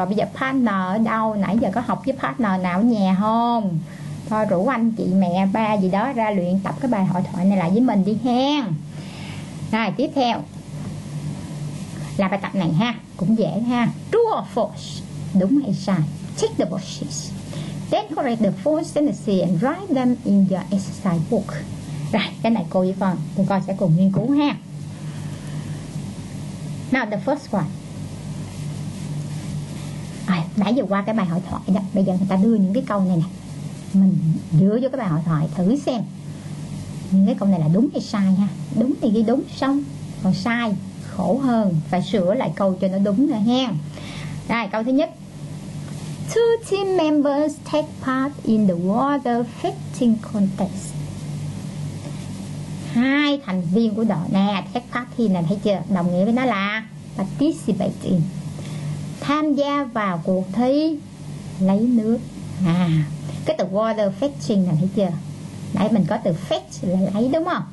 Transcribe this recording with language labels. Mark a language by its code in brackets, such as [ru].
[vi] Rồi bây giờ partner ở đâu? Nãy giờ có học với partner nào ở nhà không? Thôi rủ anh chị mẹ ba gì đó ra luyện tập cái bài hội thoại này lại với mình đi hen. Rồi tiếp theo là bài tập này ha, cũng dễ ha. [en] True or false, [vi] đúng hay sai? [en] Check the boxes, decorate the four sentences and write them in your exercise book. [vi] Rồi, cái này cô với con, tụi con sẽ cùng nghiên cứu ha. [en] Now the first one. [vi] Nãy giờ qua cái bài hội thoại đó, bây giờ người ta đưa những cái câu này nè, mình đưa vô cái bài hội thoại thử xem những cái câu này là đúng hay sai ha. Đúng thì ghi đúng xong, còn sai khổ hơn, phải sửa lại câu cho nó đúng nữa ha. Đây, câu thứ nhất. [en] Two team members take part in the water fitting contest. Hai thành viên của đội nè, take part in này, thấy chưa, đồng nghĩa với nó là participate in, tham gia vào cuộc thi lấy nước. À, cái từ water fetching này, thấy chưa? Nãy mình có từ fetch là lấy, đúng không?